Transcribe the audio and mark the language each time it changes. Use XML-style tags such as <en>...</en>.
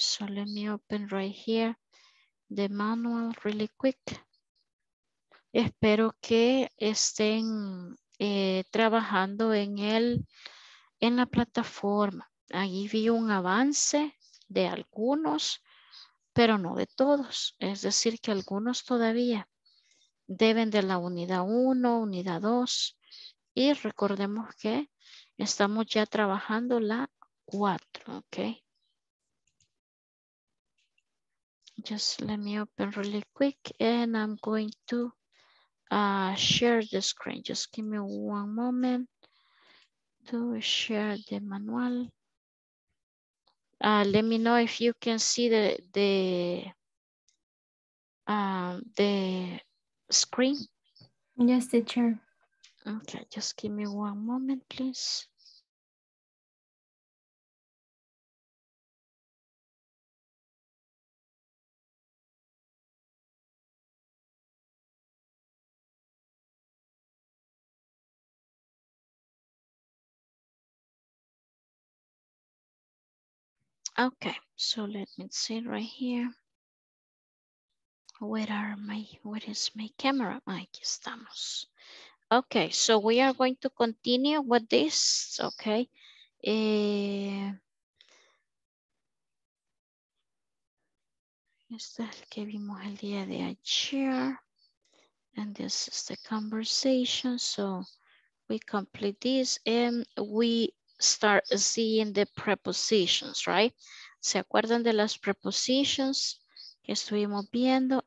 <en>So let me open right here the manual really quick.</en> <es>Espero que estén trabajando en el en la plataforma. Ahí vi un avance de algunos, pero no de todos. Es decir, que algunos todavía deben de la unidad 1, unidad 2. Y recordemos que estamos ya trabajando la 4, ¿ok?</es> <en>Just let me open really quick and I'm going to share the screen. Just give me one moment to share the manual. Let me know if you can see the screen. Yes, teacher. Okay, just give me one moment, please. Okay, so let me see right here. where is my camera?</en> <es>Aquí estamos.</es> <en>Okay, so we are going to continue with this, okay?</en> <es>Este es el que vimos el día de ayer.</es> <en>And this is the conversation. So we complete this and we start seeing the prepositions, right?</en> <es>¿Se acuerdan de las prepositions que estuvimos viendo?</es>